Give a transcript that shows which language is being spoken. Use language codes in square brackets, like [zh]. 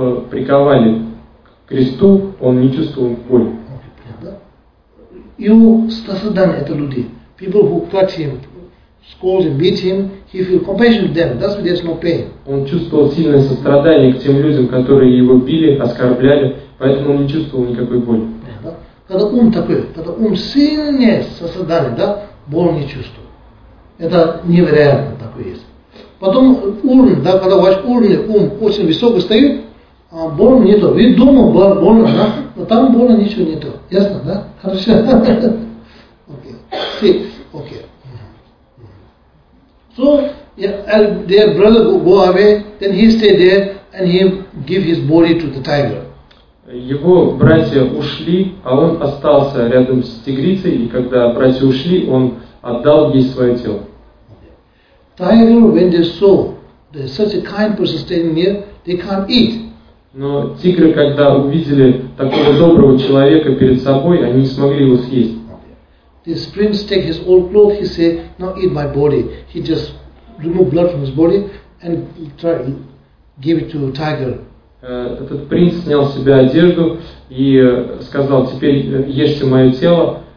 [ru] приковали к кресту, он не чувствовал боли. You sasadan eto ludi. [en] People who cut him, scold him, beat him, he feel compassion to them. That's why there's no pain. [ru] Он чувствовал сильное сострадание к тем людям, которые его били, оскорбляли, поэтому он не чувствовал никакой боли. Когда ум такой, когда ум сильнее сосадание, да, боль не чувствует. Это невероятно такое есть. Потом уровень, да, когда ваш уровень, ум очень высоко стоит, а боль нету. Вы думаете, боль, больно, да? Но там боли ничего нету. Ясно, да? Хорошо. Окей. Окей. [en] So, yeah, their brother go away, then he stay there, and he give his body to the tiger. [ru] Его братья ушли, а он остался рядом с тигрицей, и когда братья ушли, он отдал ей свое тело. [en] Tiger, when they saw that such a kind person standing near, they can't eat. [ru] Но тигры, когда увидели такого доброго человека перед собой, они не смогли его съесть. [en] This prince take his old cloth, he say, now eat my body. He just remove blood from his body and try give it to tiger. [ru] Этот принц снял с себя одежду и сказал, теперь ешьте мое тело.